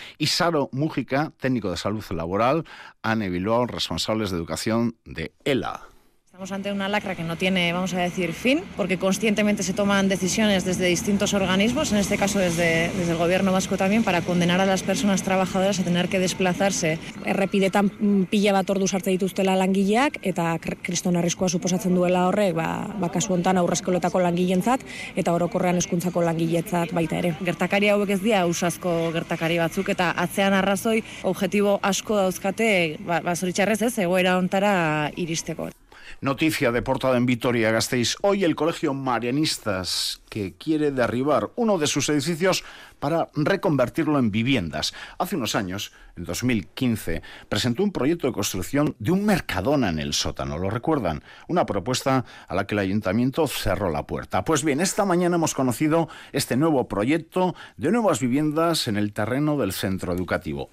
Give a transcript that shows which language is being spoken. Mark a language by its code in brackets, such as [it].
[es] Y Saro Mújica, técnico de salud laboral, Ane Bilbao, responsables de educación de ELA. Estamos ante una lacra que no tiene, vamos a decir, fin, porque conscientemente se toman decisiones desde distintos organismos, en este caso desde el Gobierno Vasco también, para condenar a las personas trabajadoras a tener que desplazarse. [eu] Errepidetan pila bat ordu sartze dituztela langileak, eta kriston arriskoa suposatzen duela horrek, kasu hontan aurreskoletako langileentzat, eta orokorrean hezkuntzako langiletzat baita ere. Gertakari hauek ez dira ausazko gertakari batzuk, eta atzean arrazoi objetibo asko dauzkate, zoritxarrez ez, egoera hontara iristeko. [es] Noticia de portada en Vitoria-Gasteiz. Hoy el Colegio Marianistas, que quiere derribar uno de sus edificios para reconvertirlo en viviendas. Hace unos años, en 2015, presentó un proyecto de construcción de un Mercadona en el sótano, ¿lo recuerdan? Una propuesta a la que el ayuntamiento cerró la puerta. Pues bien, esta mañana hemos conocido este nuevo proyecto de nuevas viviendas en el terreno del centro educativo.